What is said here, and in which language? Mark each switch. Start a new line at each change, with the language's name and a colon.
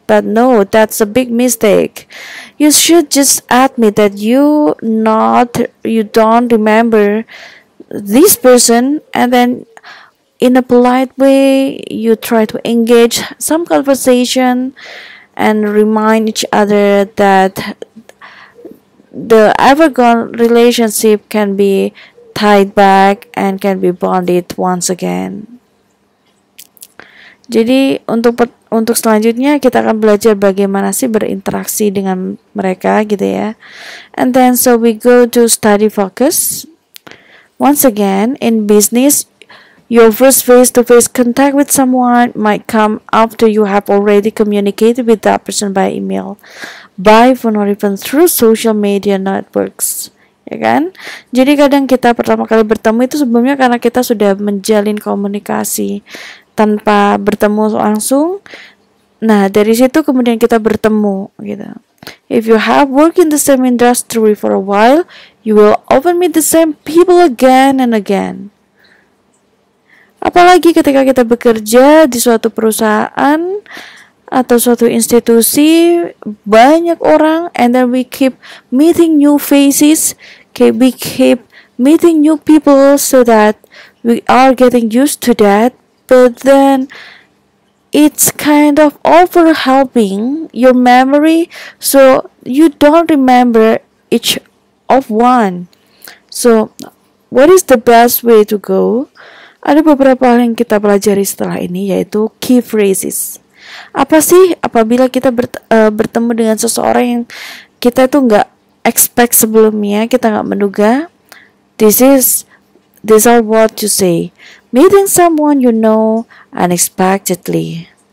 English: But no, that's a big mistake. You should just admit that you don't remember this person, and then in a polite way you try to engage some conversation and remind each other that the evergreen relationship can be tied back and can be bonded once again.
Indonesian: Jadi untuk selanjutnya kita akan belajar bagaimana sih berinteraksi dengan mereka gitu ya.
English: And then so we go to study focus. Once again, in business, your first face-to-face contact with someone might come after you have already communicated with that person by email, by phone, or even through social media networks.
Indonesian: Ya kan? Jadi kadang kita pertama kali bertemu itu sebelumnya karena kita sudah menjalin komunikasi tanpa bertemu langsung. Nah, dari situ kemudian kita bertemu gitu.
English: If you have worked in the same industry for a while, you will often meet the same people again and again.
Indonesian: Apalagi ketika kita bekerja di suatu perusahaan atau suatu institusi, banyak orang,
English: and then we keep meeting new faces, we keep meeting new people so that we are getting used to that, but then it's kind of overwhelming your memory, so you don't remember each of one. So, what is the best way to go?
Indonesian: Ada beberapa hal yang kita pelajari setelah ini, yaitu key phrases. Apa sih apabila kita bertemu dengan seseorang yang kita tuh nggak expect sebelumnya, kita nggak menduga?
English: These are what you say. Meeting someone you know unexpectedly.